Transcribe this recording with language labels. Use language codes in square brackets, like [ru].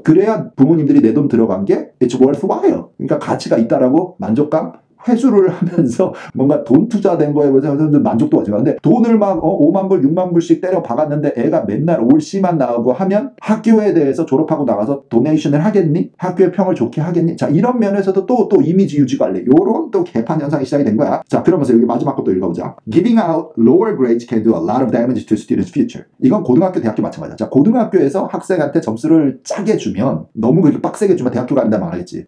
[ko] 그래야 부모님들이 내 돈 들어간 게 [en] it's worthwhile. [ko] 그러니까 가치가 있다라고 만족감 회수를 하면서 뭔가 돈 투자된 거에 대해서 만족도가 좋은데 돈을 막 5만불 6만불씩 때려 박았는데 애가 맨날 올 C만 나오고 하면 학교에 대해서 졸업하고 나가서 도네이션을 하겠니? 학교의 평을 좋게 하겠니? 자, 이런 면에서도 또 이미지 유지 관리 요런 또 개판 현상이 시작이 된 거야. 자, 그러면서 여기 마지막 것도 읽어보자. [en] Giving out lower grades can do a lot of damage to students' future. [ko] 이건 고등학교 대학교 마찬가지야. 자, 고등학교에서 학생한테 점수를 짜게 주면 너무 그렇게 빡세게 주면 대학교 간다 말했지.